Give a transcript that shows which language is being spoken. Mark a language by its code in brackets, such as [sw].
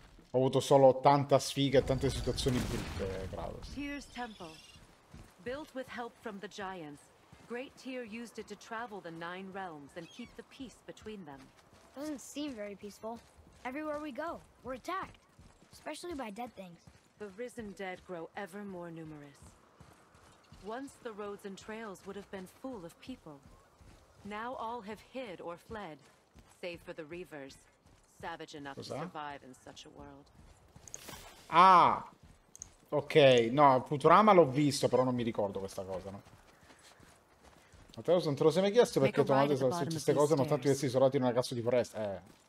[it] Ho avuto solo tanta sfiga e tante situazioni brutte, bravo. [en] Tyr's temple, built with help from the giants. Great Tyr used it to travel the nine realms and keep the peace between them. Doesn't seem very peaceful. Everywhere we go, we're attacked. Especially by dead things. The risen dead grow ever more numerous. Once the roads and trails would have been full of people. Now all have hid or fled, save for the Reavers. Savage enough to survive in such a world. Ah! [it] Ok, no, Futurama l'ho visto, però non mi ricordo questa cosa, no? Matteo, non te lo sei mai chiesto perché ho trovato queste cose, ma tanto essi isolati in una cazzo di foresta.